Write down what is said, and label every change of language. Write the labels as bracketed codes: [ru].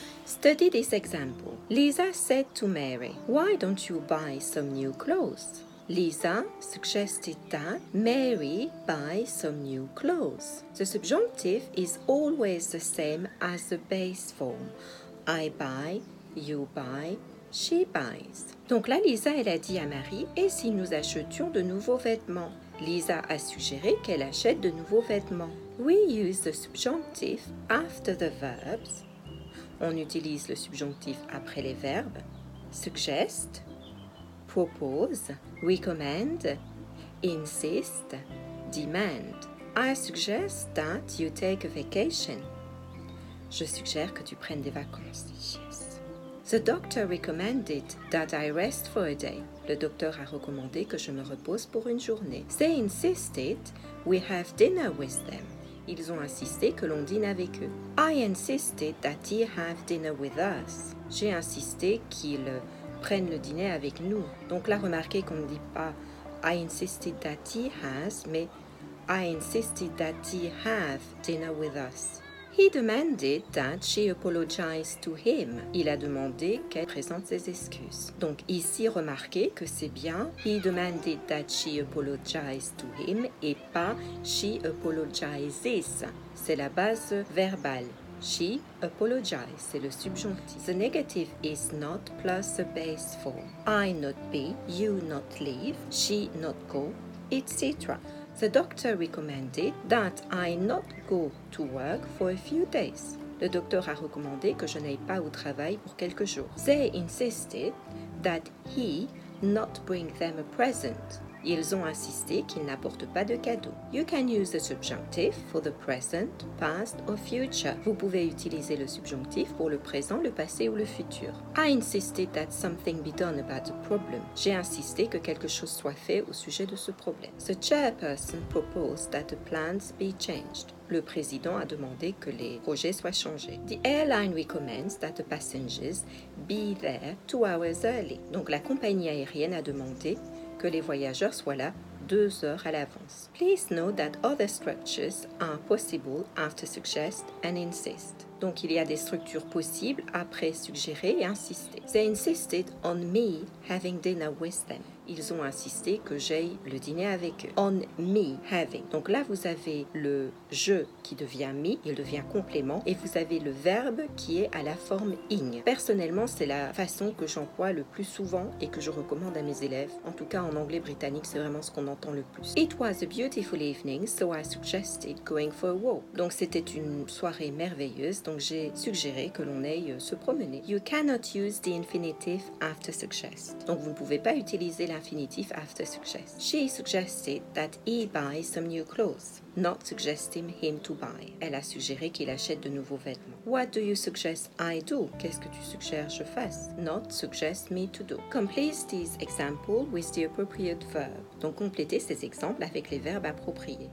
[en] Study this example. Lisa said to Mary, "Why don't you buy some new clothes?" Lisa suggested that Mary buy some new clothes. The subjonctive is always the same as the base form. I buy, you buy, she buys. [fr] Donc là, Lisa, elle a dit à Marie, et si nous achetions de nouveaux vêtements? Lisa a suggéré qu'elle achète de nouveaux vêtements. [en] We use the subjonctive after the verbs. [fr] On utilise le subjonctif après les verbes. [en] Suggest, propose, recommend, insist, demand. I suggest that you take a vacation. [fr] Je suggère que tu prennes des vacances. [en] Yes. The doctor recommended that I rest for a day. [fr] Le docteur a recommandé que je me repose pour une journée. [en] They insisted we have dinner with them. [fr] Ils ont insisté que l'on dîne avec eux. [en] I insisted that he have dinner with us. [fr] J'ai insisté qu'il prenne le dîner avec nous. Donc là, remarquez qu'on ne dit pas [en] I insisted that he has, [fr] mais [en] I insisted that he have dinner with us. He demanded that she apologize to him. [fr] Il a demandé qu'elle présente ses excuses. Donc ici, remarquez que c'est bien [en] he demanded that she apologize to him [fr] et pas [en] she apologizes. [fr] C'est la base verbale. [en] She apologizes. [fr] C'est le subjonctif. [en] The negative is not plus the base form. I not be, you not leave, she not go, etc. The doctor recommended that I not go to work for a few days. [fr] Le docteur a recommandé que je n'aille pas au travail pour quelques jours. [en] They insisted that he not bring them a present. [fr] Ils ont insisté qu'il n'apporte pas de cadeau. [en] You can use the subjunctive for the present, past or future. [fr] Vous pouvez utiliser le subjonctif pour le présent, le passé ou le futur. [en] I insisted that something be done about the problem. [fr] J'ai insisté que quelque chose soit fait au sujet de ce problème. [en] The chairperson proposed that the plans be changed. [fr] Le président a demandé que les projets soient changés. [en] The airline recommends that the passengers be there 2 hours early. [fr] Donc la compagnie aérienne a demandé que les voyageurs soient là 2 heures à l'avance. [en] Please note that other structures are possible after suggest and insist. [fr] Donc il y a des structures possibles après suggérer et insister. [en] They insisted on me having dinner with them. [fr] Ils ont insisté que j'aille le dîner avec eux. [en] On me having. [fr] Donc là, vous avez le je qui devient me, il devient complément, et vous avez le verbe qui est à la forme ing. Personnellement, c'est la façon que j'emploie le plus souvent et que je recommande à mes élèves. En tout cas, en anglais britannique, c'est vraiment ce qu'on entend le plus. [en] It was a beautiful evening, so I suggested going for a walk. [fr] Donc c'était une soirée merveilleuse, donc j'ai suggéré que l'on aille se promener. [en] You cannot use the infinitive after suggest. [fr] Donc vous ne pouvez pas utiliser l'infinitif [en] after suggest. She suggested that he buy some new clothes, not suggesting him to buy. [fr] Elle a suggéré qu'il achète de nouveaux vêtements. [en] What do you suggest I do? [fr] Qu'est-ce que tu suggères je fasse? [en] Not suggest me to do. Complete these examples with the appropriate verb. [fr] Donc complétez ces exemples avec les verbes appropriés.